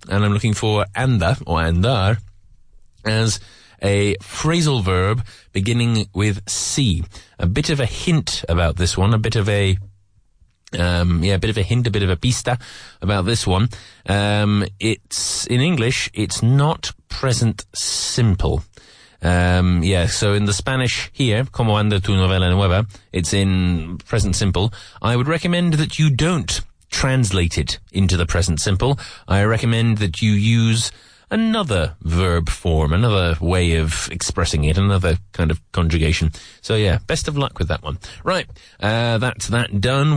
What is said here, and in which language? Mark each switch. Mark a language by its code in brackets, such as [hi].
[en] And I'm looking for anda or andar as a phrasal verb beginning with C. A bit of a hint about this one, a bit of a... a bit of a hint, a bit of a pista about this one. It's, in English, it's not present simple. So in the Spanish here, [es] ¿Cómo anda tu novela nueva? [en] It's in present simple. I would recommend that you don't translate it into the present simple. I recommend that you use another verb form, another way of expressing it, another kind of conjugation. So yeah, best of luck with that one. Right, that's that done.